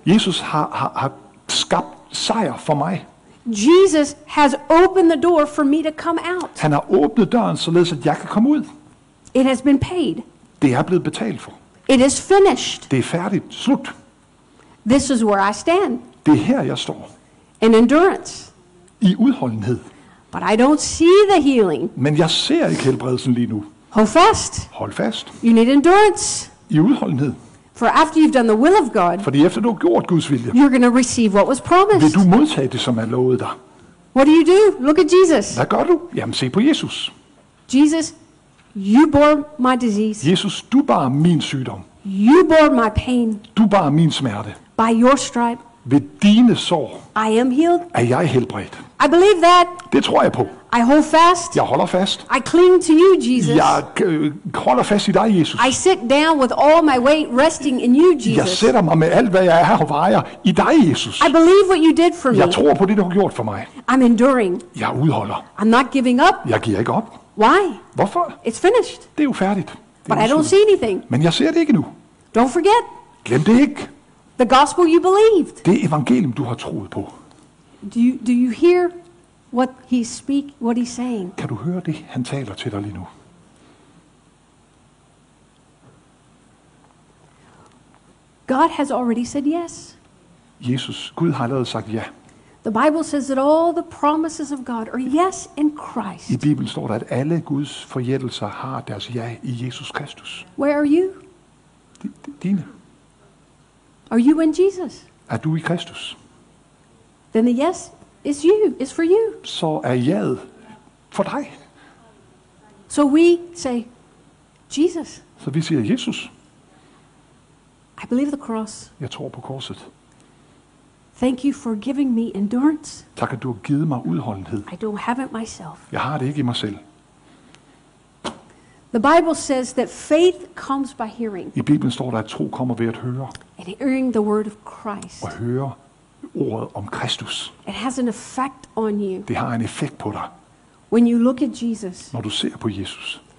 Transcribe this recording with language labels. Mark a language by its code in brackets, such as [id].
[da] Jesus har skabt sejr for mig. [en] Jesus has opened the door for me to come out. [da] Han har åbnet døren, således at jeg kan komme ud. [en] It has been paid. [da] Det er blevet betalt for. [en] It is finished. [da] Det er færdigt. Slut. [en] This is where I stand. [da] Det er her, jeg står. [en] In endurance. [da] I udholdenhed. [en] But I don't see the healing. [da] Men jeg ser ikke helbredelsen lige nu. [en] Hold fast. [da] Hold fast. [en] You need endurance. [da] I udholdenhed. [en] For after you've done the will of God, [da] fordi efter du har gjort Guds vilje, [en] you're going to receive what was promised. [da] Vil du modtage det, som er lovet dig? [en] What do you do? Look at Jesus. [da] Hvad gør du? Jamen se på Jesus. [en] Jesus, you bore my disease. [da] Jesus, du bar min sygdom. [en] You bore my pain. [da] Du bar min smerte. [en] By your stripe. [da] Ved dine sår. [en] I am healed. [da] Er jeg helbredt? [en] I believe that. [da] Det tror jeg på. [en] I hold fast. [da] Jeg holder fast. [en] I cling to you, Jesus. [da] Jeg holder fast i dig, Jesus. [en] I sit down with all my weight resting in you, Jesus. [da] Jeg sætter mig med alt hvad jeg er og vejer i dig, Jesus. [en] I believe what you did for [da] jeg [en] me. [da] Jeg tror på det du har gjort for mig. [en] I'm enduring. [da] Jeg udholder. [en] I'm not giving up. [da] Jeg giver ikke op. [en] Why? [da] Hvorfor? [en] It's finished. [da] Det er jo færdigt. [en] But I don't see anything. [da] Men jeg ser det ikke nu. [en] Don't forget. [da] Glem det ikke. [en] The gospel you believed. [da] Det evangelium du har troet på. [en] Do you hear? What he's saying. [da] Kan du høre det, han taler til dig lige nu? [en] God has already said yes. [da] Jesus, Gud har allerede sagt ja. [en] The Bible says that all the promises of God are yes in Christ. [da] I Bibelen står der, at alle Guds forjættelser har deres ja i Jesus Kristus. [en] Where are you? [da] Dine. [en] Are you in Jesus? [da] Er du i Kristus? [en] Then the yes. It's you. It's for you. [da] Så er jeg for dig. [en] So we say, Jesus. [da] Så vi siger Jesus. [en] I believe the cross. [da] Jeg tror på korset. [en] Thank you for giving me endurance. [da] Tak at du har givet mig udholdenhed. [en] I don't have it myself. [da] Jeg har det ikke i mig selv. [en] The Bible says that faith comes by hearing. [da] I Bibelen står der at tro kommer ved at høre. [en] And hearing the word of Christ. [da] Og høre. Ordet om Kristus. [en] It has an effect on you. [da] Det har en effekt på dig. [en] When you look at Jesus. [da] Når du ser på Jesus.